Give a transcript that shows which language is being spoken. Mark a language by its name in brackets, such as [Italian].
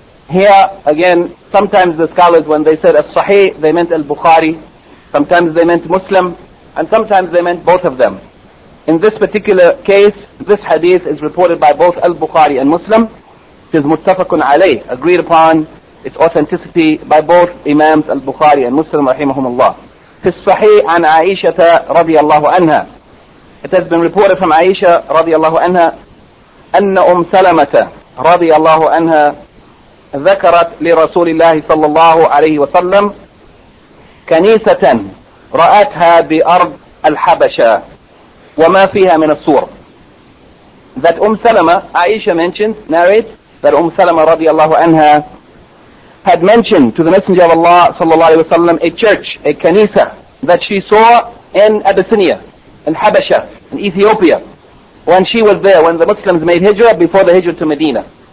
[English] Here, again, sometimes the scholars, when they said al-Sahih, they meant al-Bukhari, sometimes they meant Muslim, and sometimes they meant both of them. In this particular case, this hadith is reported by both al-Bukhari and Muslim. It is muttafaqun alayh, agreed upon its authenticity by both Imams al-Bukhari and Muslim, rahimahumullah. [Arabic] في الصحيح عن عائشة رضي الله عنها. [English] It has been reported from [Arabic] عائشة رضي الله عنها أن أم سلمة رضي الله عنها ذكرت لرسول الله صلى الله عليه وسلم كنيسة رأتها بأرض الحبشة وما فيها من الصور. [English] That أم سلمة, عائشة mentioned, narrates that أم سلمة [Arabic] رضي الله عنها [English] had mentioned to the Messenger of Allah sallallahu alayhi wa sallam a church, a kanisa, that she saw in Abyssinia, in Habasha, in Ethiopia, when she was there, when the Muslims made hijrah before the hijrah to Medina.